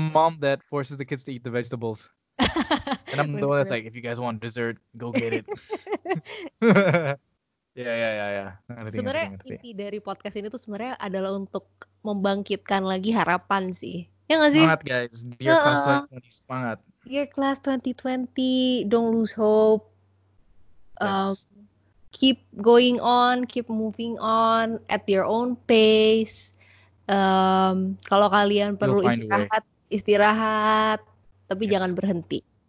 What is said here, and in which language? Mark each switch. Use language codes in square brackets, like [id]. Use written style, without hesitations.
[en] mom that forces the kids to eat the vegetables. And I'm the one that's like, if you guys want dessert, go get it. Yeah. [id] Sebenarnya inti dari podcast ini tuh sebenarnya adalah untuk membangkitkan lagi harapan sih. Ya enggak sih? Semangat guys, [en] dear class 2020, [id] semangat. [en] Dear class 2020, don't lose hope. Keep going on, keep moving on at your own pace. [id] Kalau kalian perlu istirahat, tapi jangan berhenti.